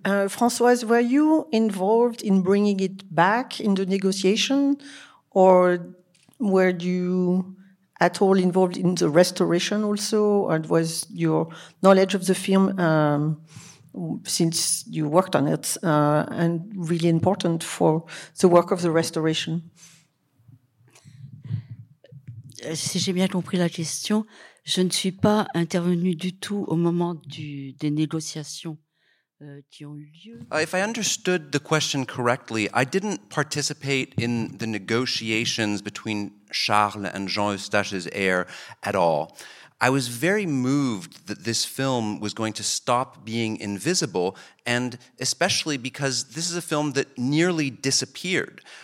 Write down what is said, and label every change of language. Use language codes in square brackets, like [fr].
[en] Françoise, were you involved in bringing it back in the negotiation, or were you at all involved in the restoration also? And was your knowledge of the film, since you worked on it, and really important for the work of the restoration? [fr] Si j'ai bien compris la question, je ne suis pas intervenue du tout au moment des négociations qui ont eu lieu. [en] If I understood the question correctly, I didn't participate in the negotiations between Charles and Jean Eustache's heir at all. I was very moved that this film was going to stop being invisible, and especially because this is a film that nearly disappeared.